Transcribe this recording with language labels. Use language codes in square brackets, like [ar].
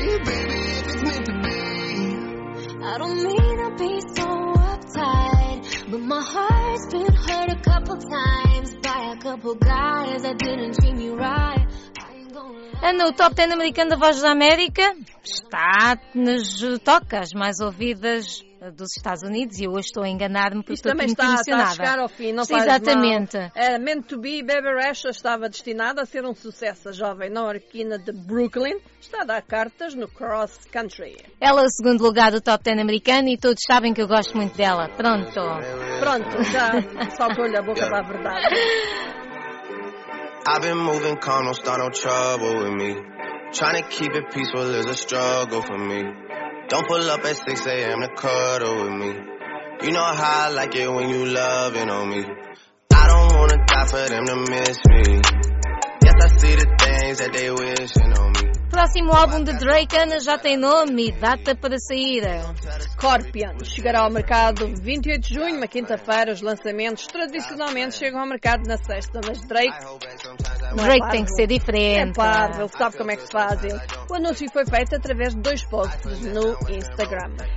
[en] I don't mean to be so uptight, but my heart's been hurt a couple times by a couple guys that didn't treat me right. [pt] Ana, o Top 10 americano da Voz da América está nas tocas mais ouvidas dos Estados Unidos e eu hoje estou a enganar-me porque isto estou também muito emocionada. Está a chegar ao fim, não sim, exatamente. Era meant to be, Bebe Rexha estava destinada a ser um sucesso. A jovem nova-iorquina de Brooklyn está a dar cartas no cross country. Ela é o segundo lugar do Top 10 americano e todos sabem que eu gosto muito dela. Pronto. Pronto, já saltou-lhe a boca para a verdade. [en] I've been moving calm, don't start no trouble with me. Trying to keep it peaceful is a struggle for me. Don't pull up at 6 a.m. to cuddle with me. You know how I like it when you loving on me. I don't wanna die for them to miss me. Yes, I see the things that they wishing on me. [pt] Próximo álbum de Drake, Ana, já tem nome e data para sair. Scorpion chegará ao mercado 28 de junho, uma quinta-feira. Os lançamentos tradicionalmente chegam ao mercado na sexta, mas Drake... Drake tem que ser diferente. É parvo, ele sabe como é que se faz. O anúncio foi feito através de dois posts no Instagram.